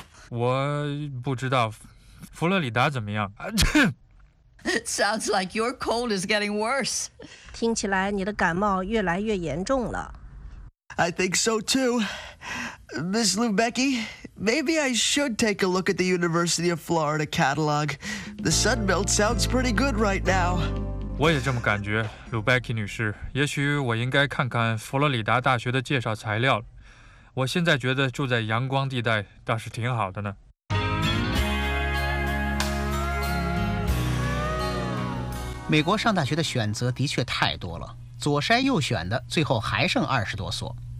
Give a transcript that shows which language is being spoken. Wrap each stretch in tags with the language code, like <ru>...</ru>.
<zh>我不知道佛罗里达怎么样。</zh> <en>Sounds like your cold is getting worse。</en> <zh>听起来你的感冒越来越严重了。</zh> <en>I think so too. Ms. Lubecki, maybe I should take a look at the University of Florida catalog. The Sun Belt sounds pretty good right now.</en> <zh>我也这么感觉 ,Lubecki 女士。也许我应该看看佛罗里达大学的介绍材料。我现在觉得住在阳光地带倒是挺好的呢。美国上大学的选择的确太多了。左筛右选的最后还剩20多所。</zh>